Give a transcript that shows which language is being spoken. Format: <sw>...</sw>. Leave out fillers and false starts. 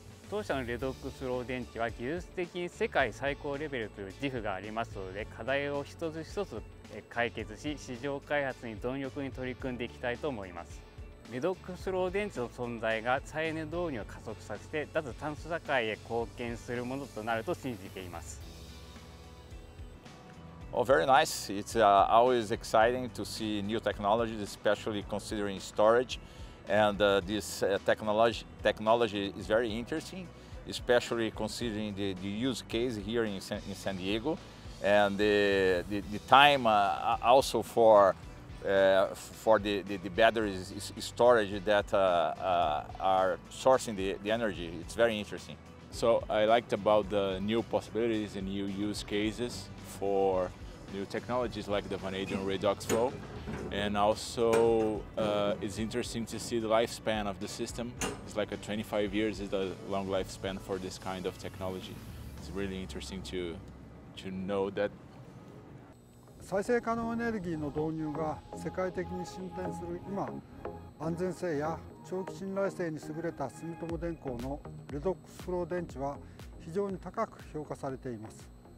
<ja>当社のレドックスフロー電池は技術的に世界最高レベルという自負がありますので、課題を一つ一つ解決し、市場開発に貪欲に取り組んでいきたいと思います。レドックスフロー電池の存在が再エネ導入を加速させて脱炭素社会へ貢献するものとなると信じています。</ja> <en>Oh, very nice. It's always exciting to see new technologies, especially considering storage. And this technology is very interesting, especially considering the use case here in San Diego. And the time also for the batteries storage that are sourcing the energy, it's very interesting. So I liked about the new possibilities and new use cases for new technologies like the vanadium redox flow. And also it's interesting to see the lifespan of the system. It's like a 25 years is the long lifespan for this kind of technology. It's really interesting to know that.</en> <ja>再生可能エネルギーの導入が世界的に進展する今、安全性や長期信頼性に優れた住友電工のレドックスフロー電池は非常に高く評価されています。</ja>